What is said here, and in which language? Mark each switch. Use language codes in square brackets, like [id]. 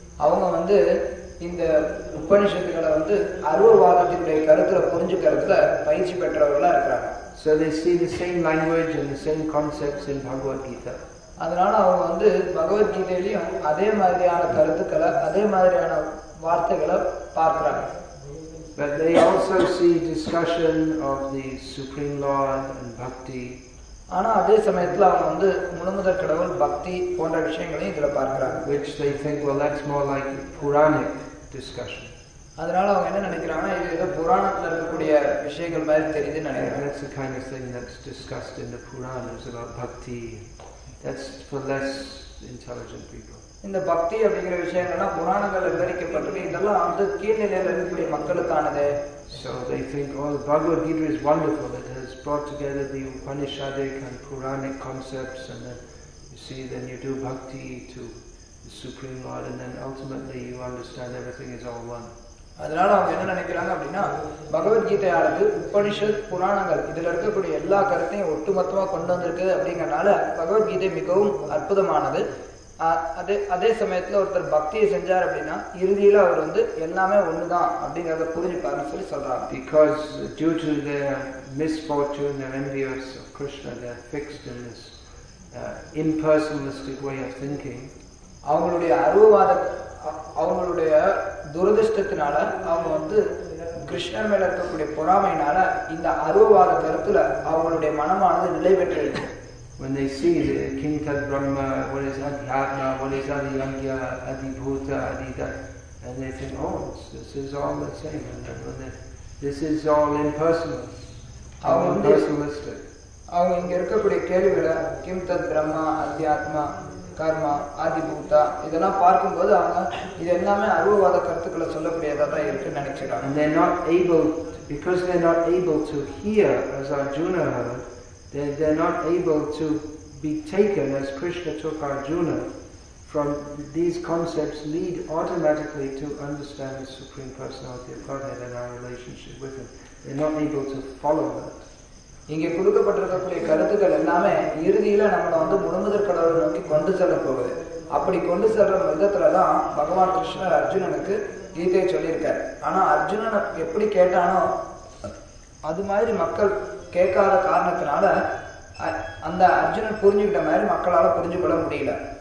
[ta] அவங்க வந்து இந்த உபநிஷத்துகளை வந்து அருவவாதத்தினுடைய கருத்துல புரிஞ்சுக்கிறதுல பயிற்சி பெற்றவர்களா இருக்கிறாங்க. [en] So they see the same language and the same concepts in Bhagavad Gita. [ta] அதனால அவங்க வந்து பகவத்கீதையிலையும் அதே மாதிரியான கருத்துக்களை, அதே மாதிரியான வார்த்தைகளை பார்க்கிறாங்க. [en] But they also see discussion of the Supreme Lord and Bhakti. [ta] ஆனா அதே சமயத்துல அவங்க வந்து முழுமுதற் கடவுள், பக்தி போன்ற விஷயங்களையும் இதுல பார்க்கிறாங்க. [en] Which they think, well, that's more like Puranic discussion. [ta] அதனால அவங்க என்ன நினைக்கிறாங்கன்னா இது ஏதோ புராணத்துல இருக்கக்கூடிய விஷயங்கள் மாதிரி தெரியுதுன்னு நினைக்கிறேன். [en] That's the kind of thing that's discussed in the Puranas about bhakti. That's for less intelligent people. [ta] இந்த பக்தி அப்படிங்கிற விஷயங்கள்லாம் புராணங்கள்ல விவரிக்கப்பட்டிருக்கு. இதெல்லாம் அந்த கீழ்நிலையில இருக்கக்கூடிய மக்களுக்கானது. [en] So they think, oh, the Bhagavad Gita is wonderful. It has brought together the Upanishadic and Puranic concepts, and then you see, then you do bhakti to the Supreme Lord, and then ultimately you understand everything is all one. [ta] அதனால அவங்க என்ன நினைக்கிறாங்க அப்படின்னா, பகவத்கீதையானது உபனிஷத் புராணங்கள் இதுல இருக்கக்கூடிய எல்லா கருத்தையும் ஒட்டுமொத்தமா கொண்டு வந்திருக்கு அப்படிங்கறனால பகவத்கீதை மிகவும் அற்புதமானது. அதே சமயத்துல ஒருத்தர் பக்தியை செஞ்சார் அப்படின்னா இறுதியில அவர் வந்து எல்லாமே ஒண்ணுதான் அப்படிங்கறத புரிஞ்சுப்பாருன்னு சொல்லி சொல்றாரு. [en] Because due to the misfortune and envious of Krishna, they are fixed in this impersonalistic way of thinking. [ta] அவங்களுடைய அருவவாத அவங்களுடைய துரதிருஷ்டத்தினால அவங்க வந்து கிருஷ்ணர் மேல இருக்கக்கூடிய பொறாமையினால இந்த அருவவாத கருத்துல அவங்களுடைய மனமானது நிலை பெற்றிருக்கு. [en] When they see the king tat brahma, what is adhyatma, what is adhyangya, adhibhuta, adhidat, and they think, oh, this is all the same. And then, this is all impersonal, all impersonalistic. [ta] அவங்க இங்க இருக்கக்கூடிய கேள்விகள கிம் தத் பிரம்மா அத்தியாத்மா கர்மா ஆதிபூதா இதெல்லாம் பார்க்கும்போது அவங்க இது எல்லாமே அருவவாத கருத்துக்களை சொல்லக்கூடியதா தான் இருக்குன்னு நினைச்சிருக்காங்க. [en] They're not able to, because they're not able to hear as Arjuna heard, they're not able to be taken as Krishna took Arjuna from these concepts lead automatically to understand the Supreme Personality of Godhead and our relationship with Him. They're not able to follow that. [ta] இங்க கொடுக்கப்பட்டிருக்கக்கூடிய கருத்துக்கள் எல்லாமே இறுதியில நம்மளை வந்து முழுமுதற் கடவுள் நோக்கி கொண்டு செல்ல போகுது. அப்படி கொண்டு செல்ற விதத்துலதான் பகவான் கிருஷ்ணர் அர்ஜுனனுக்கு கீதையை சொல்லியிருக்காரு. ஆனா அர்ஜுனனை எப்படி கேட்டானோ அது மாதிரி மக்கள் கேட்காத காரணத்தினால அந்த அர்ஜுனன் புரிஞ்சுக்கிட்ட மாதிரி மக்களால புரிஞ்சு கொள்ள முடியல.